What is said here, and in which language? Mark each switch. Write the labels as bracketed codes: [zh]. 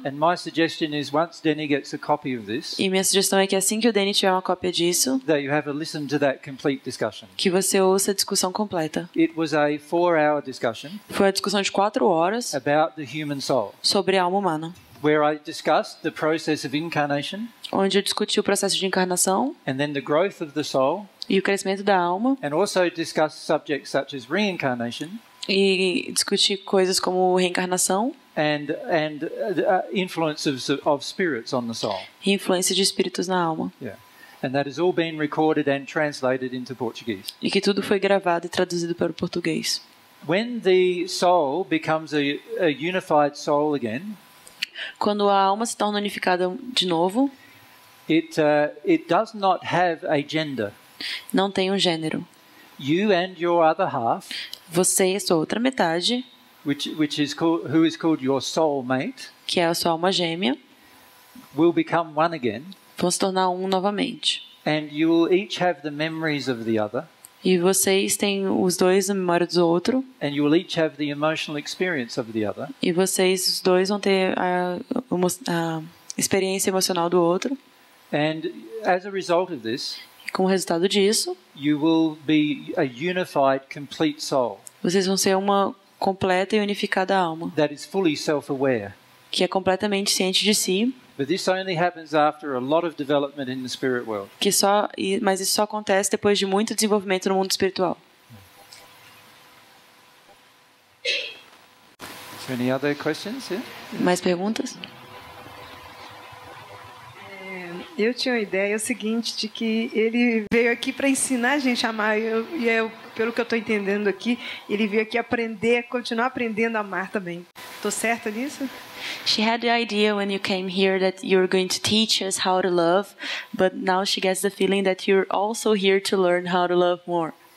[en] And my suggestion is once Denny gets a copy of this. [pt] E minha sugestão é que assim que o Denny tiver uma cópia disso. [en] That you have a listen to that complete discussion. [pt] Que você ouça a discussão completa. [en] It was a 4-hour discussion. [pt] Foi uma discussão de 4 horas. [en] About the human soul. [pt] Sobre a alma humana. [en] Where I discussed the process of incarnation. [pt] Onde eu discuti o processo de encarnação. [en] And then the growth of the soul. [pt] E o crescimento da alma. [en] And also discuss subjects such as reincarnation. [pt] E discutir coisas como reencarnação. [en] And the influence of spirits on the soul. [pt] E influência de espíritos na alma. [en] Yeah. And that has all been recorded and translated into Portuguese. [pt] E que tudo foi gravado e traduzido para o português. [en] When the soul becomes a unified soul again. [pt] Quando a alma se torna unificada de novo. [en] It does not have a gender. [pt] Não tem gênero. [en] You and your other half, [pt] você e sua outra metade, [en] which is called, who is called your soulmate, [pt] que é a sua alma gêmea, [en] will become one again, [pt] vão se tornar um novamente. [en] And you will each have the memories of the other, [pt] e vocês têm os dois a memória do outro, [en] and you will each have the emotional experience of the other, [pt] e vocês os dois vão ter a experiência emocional do outro. [en] And as a result of this, [pt] como resultado disso, [en] you will be a unified, complete soul. [pt] Vocês vão ser uma completa e unificada alma. [en] That is fully self-aware. [pt] Que é completamente ciente de si. [en] But this only happens after a lot of development in the spirit world. [pt] Mas isso só acontece depois de muito desenvolvimento no mundo espiritual. [en] Any other questions? Yeah? [pt] Mais perguntas? Eu tinha uma ideia, o seguinte, de que ele veio aqui para ensinar a gente a amar. E pelo que eu estou entendendo aqui, ele veio aqui aprender, continuar aprendendo a amar também. Estou certa nisso? [en] She had the idea when you came here that you're going to teach us how to love, but now she gets the feeling that you're also here to learn how to love more.